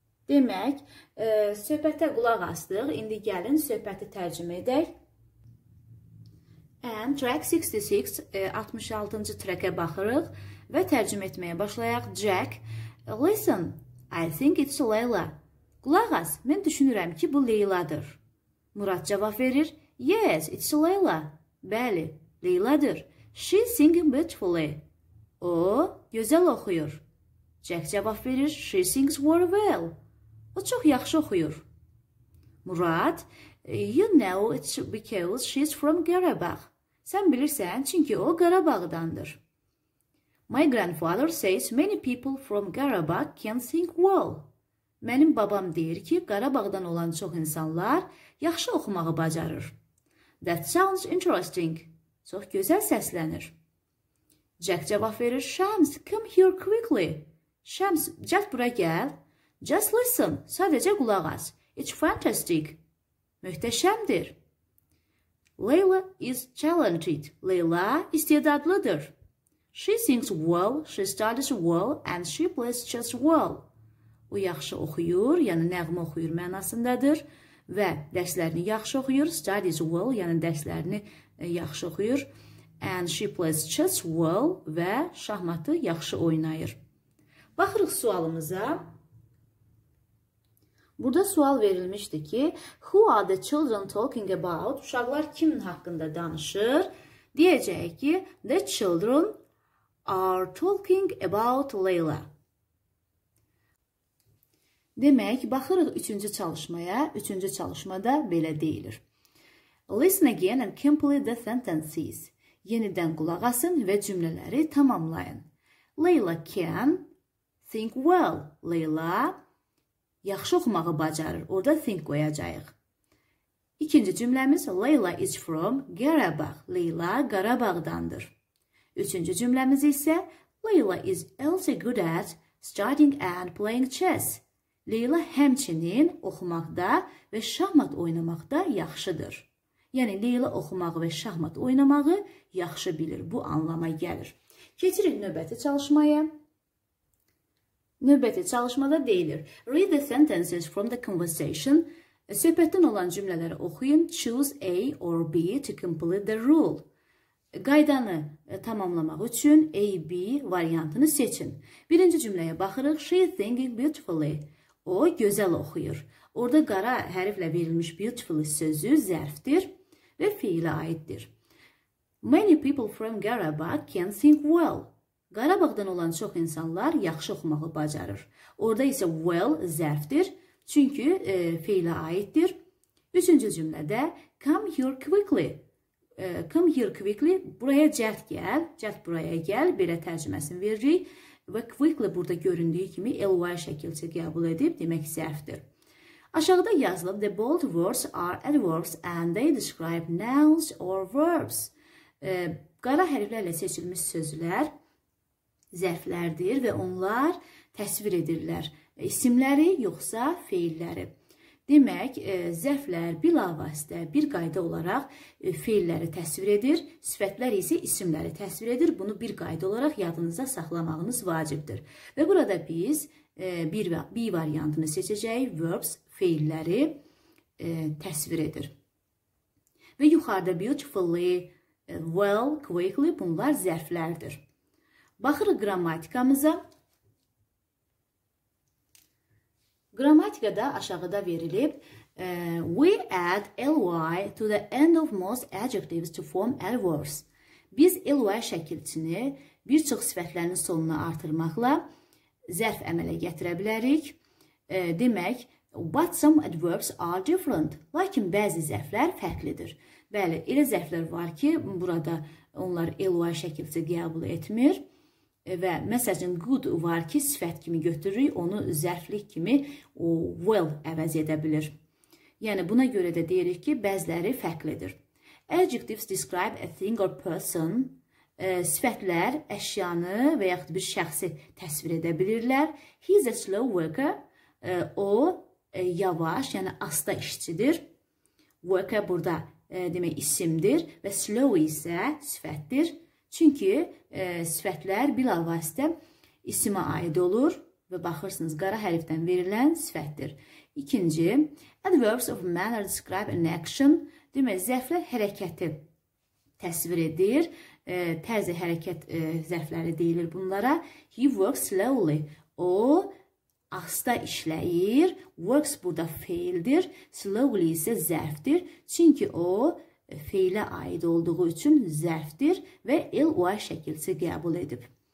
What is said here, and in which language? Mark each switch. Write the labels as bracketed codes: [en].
[az] Demək, söhbətə qulaq asdıq. İndi gəlin söhbəti tərcümə edək. [en] And track [az] 66, 66-cı trackə baxırıq və tərcümə etməyə başlayaq. [en] Jack, listen, I think it's Layla. [az] Qulaq as, mən düşünürəm ki, bu Leyladır. Murad cavab verir, [en] yes, it's Layla. [az] Bəli, Leyladır. [en] She singing beautifully. [az] O, gözəl oxuyur. Jack cavab verir, [en] she sings very well. [az] O çox yaxşı oxuyur. [en] Murad, you know it's because she's from Qarabağ. [az] Sən bilirsən, çünki o Qarabağdandır. [en] My grandfather says many people from Qarabağ can sing well. [az] Mənim babam deyir ki, Qarabağdan olan çox insanlar yaxşı oxumağı bacarır. [en] That sounds interesting. [az] Çox gözəl səslənir. Jack cavab verir, [en] Shams, come here quickly. [az] Shams, cəld bura gəl. [en] Just listen, [az] sadəcə qulaq as. [en] It's fantastic. [az] Möhtəşəmdir. [en] Layla is talented. [az] Layla istedadlıdır. [en] She sings well, she studies well, and she plays chess well. [az] O yaxşı oxuyur, yəni nəğmə oxuyur mənasındadır. Və dərslərini yaxşı oxuyur, [en] studies well, [az] yəni dərslərini yaxşı oxuyur. [en] And she plays chess well [az] və şahmatı yaxşı oynayır. Baxırıq sualımıza. Burada sual verilmişdi ki, [en] who are the children talking about? [az] Uşaqlar kimin haqqında danışır? Deyəcək ki, [en] the children are talking about Layla. [az] Demək, baxırıq üçüncü çalışmaya. Üçüncü çalışmada belə deyilir. [en] Listen again and complete the sentences. [az] Yenidən qulaq asın və cümlələri tamamlayın. [en] Layla can think well. [az] Layla yaxşı oxumağı bacarır. Orada think qoyacaq. İkinci cümləmiz [en] Layla is from Qarabağ. [az] Layla Qarabağdandır. Üçüncü cümləmiz isə [en] Layla is also good at studying and playing chess. [az] Layla həmçinin oxumaqda və şahmat oynamaqda yaxşıdır. Yəni, Layla oxumağı və şahmat oynamağı yaxşı bilir. Bu anlama gəlir. Keçirik növbəti çalışmaya. Növbəti çalışmada deyilir. [en] Read the sentences from the conversation. [az] Söhbətdən olan cümlələri oxuyun. [en] Choose A or B to complete the rule. [az] Qaydanı tamamlamaq üçün A, B variantını seçin. Birinci cümləyə baxırıq. [en] She is singing beautifully. [az] O, gözəl oxuyur. Orada qara hərflə verilmiş beautiful sözü zərfdir və fiilə aiddir. [en] Many people from Qarabağ can sing well. [az] Qarabağdan olan çox insanlar yaxşı oxumağı bacarır. Orada isə well zərfdir, çünki fiilə aiddir. Üçüncü cümlədə [en] come here quickly. Come here quickly, [az] buraya cəld gəl, cəld buraya gəl, belə tərcüməsini veririk. Və quickly burada göründüyü kimi ly şəkildə qəbul edib, demək zərfdir. Aşağıda yazılıb, [en] the bold words are adverbs and they describe nouns or verbs. [az] Qara hərflərlə seçilmiş sözlər zərflərdir və onlar təsvir edirlər isimləri yoxsa feilləri. Demək, zərflər bilavasitə bir qayda olaraq feilləri təsvir edir, sifətlər isə isimləri təsvir edir. Bunu bir qayda olaraq yadınıza saxlamağınız vacibdir. Və burada biz B variantını seçəcəyik, verbs feilləri təsvir edir. Və yuxarıda beautifully, well, quickly bunlar zərflərdir. Baxırıq qrammatikamıza. Qrammatikada aşağıda verilib, [en] we add ly to the end of most adjectives to form adverbs. [az] Biz ly şəkilçini bir çox sifətlərin sonuna artırmaqla zərf əmələ gətirə bilərik. [en] Demək, but some adverbs are different. [az] Lakin bəzi zərflər fərqlidir. Bəli, elə zərflər var ki, burada onlar ly şəkilçi qəbul etmir. Və məsələn, good var ki, sifət kimi götürürük, onu zərflik kimi o well əvəz edə bilir. Yəni, buna görə də deyirik ki, bəziləri fərqlidir. [en] Adjectives describe a thing or person. [az] Sifətlər əşyanı və yaxud bir şəxsi təsvir edə bilirlər. [en] He is a slow worker. [az] O, yavaş, yəni asta işçidir. Worker burada demək isimdir və slow isə sifətdir. Çünki sifətlər bilavasitə isimə aid olur və baxırsınız, qara hərfdən verilən sifətdir. İkinci, [en] adverbs of manner describe an action. [az] Demək, zərflər hərəkəti təsvir edir. Tərzi hərəkət zərfləri deyilir bunlara. [en] He works slowly. [az] O, asta işləyir. Works burada feildir. Slowly isə zərfdir. Çünki o, feilə aid olduğu üçün zərfdir və ly şəkilsi qəbul edib.